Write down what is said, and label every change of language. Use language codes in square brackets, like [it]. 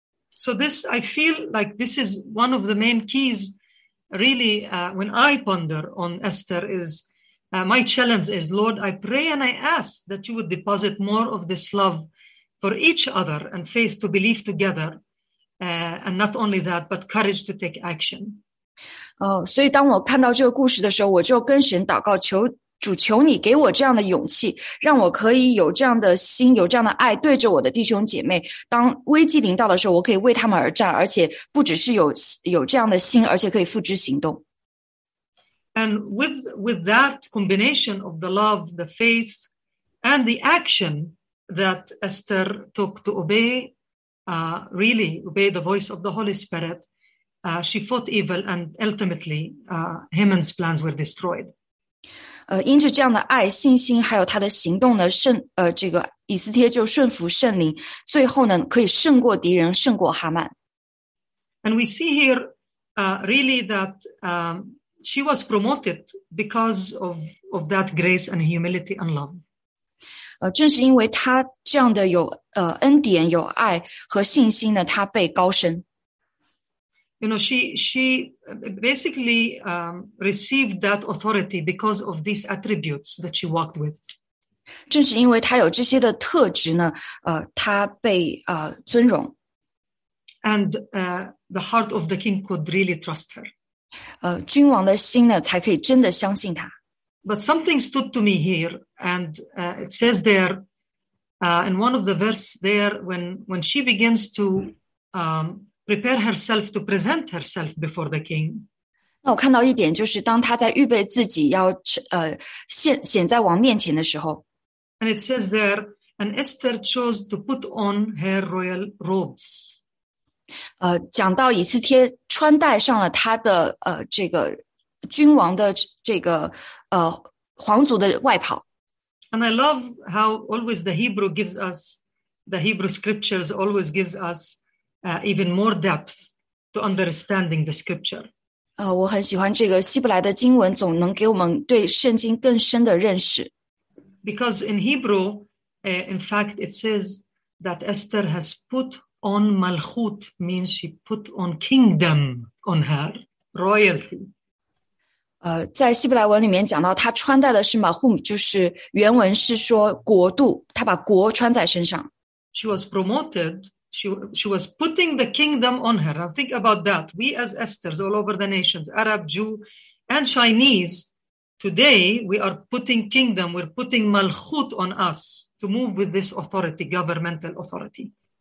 [en] So this, I feel like this is one of the main keys. Really, when I ponder on Esther, is my challenge is, Lord, I pray and I ask that you would deposit more of this love for each other and faith to believe together, and not only that, but courage to take action. [zh] Oh, 所以当我看到这个故事的时候，我就跟神祷告，求主求你给我这样的勇气，让我可以有这样的心，有这样的爱，对着我的弟兄姐妹，当危机临到的时候，我可以为他们而战，而且不只是有这样的心，而且可以付之行动。 [en] And with that combination of the love, the faith, and the action that Esther took to obey, really obey the voice of the Holy Spirit, she fought evil, and ultimately, Haman's plans were destroyed. [zh] 因着这样的爱、信心，还有他的行动呢，这个以斯帖就顺服圣灵，最后呢，可以胜过敌人，胜过哈曼。 [en] And we see here, really that she was promoted because of that grace and humility and love. [zh] 正是因为他这样的有恩典、有爱和信心呢，他被高升。 [en] You know, she basically received that authority because of these attributes that she walked with. [zh] 正是因为她有这些的特质呢，她被尊荣。 [en] And the heart of the king could really trust her. [zh] 君王的心呢，才可以真的相信她。 [en] But something stood to me here, and it says there, in one of the verse there, when she begins to... prepare herself to present herself before the king. [zh] 那我看到一点，就是当他在预备自己要显在王面前的时候。 [en] And it says there, and Esther chose to put on her royal robes. [zh] 讲到以斯帖穿戴上了他的这个君王的这个皇族的外袍。 [en] And I love how always the Hebrew gives us, the Hebrew scriptures always gives us. Even more depth to understanding the scripture. [zh] 我很喜欢这个希伯来的经文总能给我们对圣经更深的认识。 [en] Because in Hebrew, in fact, it says that Esther has put on malchut, means she put on kingdom on her, royalty. [zh] 在希伯来文里面讲到他穿戴的是 malchut, 就是原文是说国度，他把国穿在身上。 [en] She was promoted, she was putting the kingdom on her. Now think about that. We as Esthers all over the nations, Arab, Jew, and Chinese, today we are putting kingdom, we're putting malchut on us to move with this authority, governmental authority.